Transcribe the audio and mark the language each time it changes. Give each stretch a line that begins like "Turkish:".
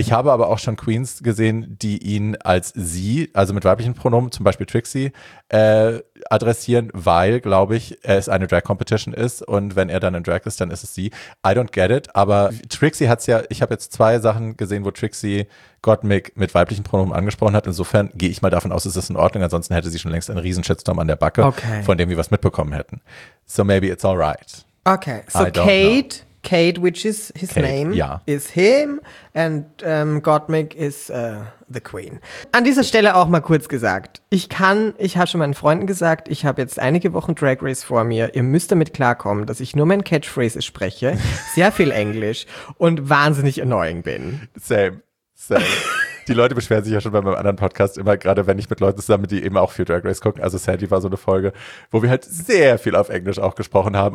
German: Ich habe aber auch schon Queens gesehen, die ihn als sie, also mit weiblichen Pronomen, zum Beispiel Trixie, adressieren, weil, glaube ich, es eine Drag-Competition ist und wenn er dann ein Drag ist, dann ist es sie.
English: I don't get it,
German: aber Trixie hat es ja, ich habe jetzt 2 Sachen gesehen, wo Trixie Gottmik mit weiblichen Pronomen angesprochen hat. Insofern gehe ich mal davon aus, es ist in Ordnung, ansonsten hätte sie schon längst einen riesen Shitstorm an der Backe, von dem wir was mitbekommen hätten.
English: So maybe it's all right. Okay, so Kate, which is his name, is him, and Gottmik is the queen.
German: An dieser Stelle auch mal kurz gesagt, ich habe schon meinen Freunden gesagt, ich habe jetzt einige Wochen Drag Race vor mir, ihr müsst damit klarkommen, dass ich nur meine Catchphrases spreche, sehr viel Englisch und wahnsinnig annoying bin.
English: Same.
German: Die Leute beschweren sich ja schon bei meinem anderen Podcast immer, gerade wenn ich mit Leuten zusammen, die eben auch viel Drag Race gucken. Also Sandy war so eine Folge, wo wir halt sehr viel auf Englisch auch gesprochen haben.